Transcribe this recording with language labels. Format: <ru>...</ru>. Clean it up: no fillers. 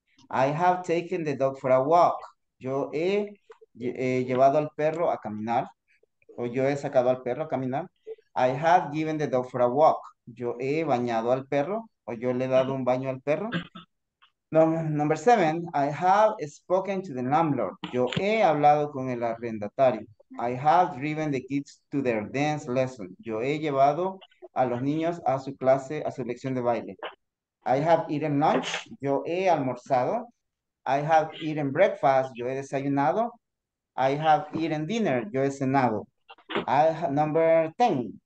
<en>I have taken the dog for a walk.</en> <es>Yo he llevado al perro a caminar, o yo he sacado al perro a caminar.</es> <en>I have given the dog for a walk.</en> <es>Yo he bañado al perro, o yo le he dado un baño al perro.</es> <en>Number 7, I have spoken to the landlord.</en> <es>Yo he hablado con el arrendatario.</es> <en>I have driven the kids to their dance lesson.</en> <es>Yo he llevado a los niños a su clase, a su lección de baile.</es> <en>I have eaten lunch.</en> <es>Yo he almorzado.</es> <en>I have eaten breakfast.</en> <es>Yo he desayunado.</es> <en>I have eaten dinner.</en> <es>Yo he cenado.</es> <en>Number 10.</en>